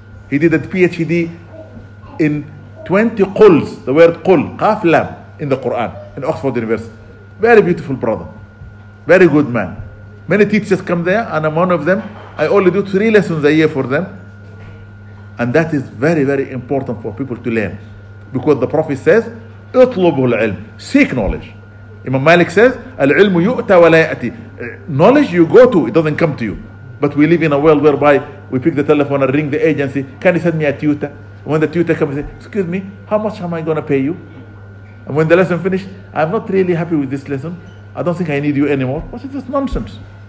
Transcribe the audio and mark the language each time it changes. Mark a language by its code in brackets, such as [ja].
[en] He did a PhD in 20 quls, the word qul, qaf lam, in the Quran, in Oxford University. Very beautiful brother. Very good man. Many teachers come there, and I'm one of them. I only do 3 lessons a year for them. And that is very, very important for people to learn. Because the Prophet says, [ar] اطلبوا العلم, [en] seek knowledge. Imam Malik says, [ar] العلم يؤتى ولا يأتي. [en] Knowledge you go to, it doesn't come to you. But we live in a world whereby we pick the telephone and ring the agency. Can you send me a tutor? And when the tutor comes, say, excuse me, how much am I going to pay you? And when the lesson finished, I'm not really happy with this lesson. I don't think I need you anymore. What is this nonsense?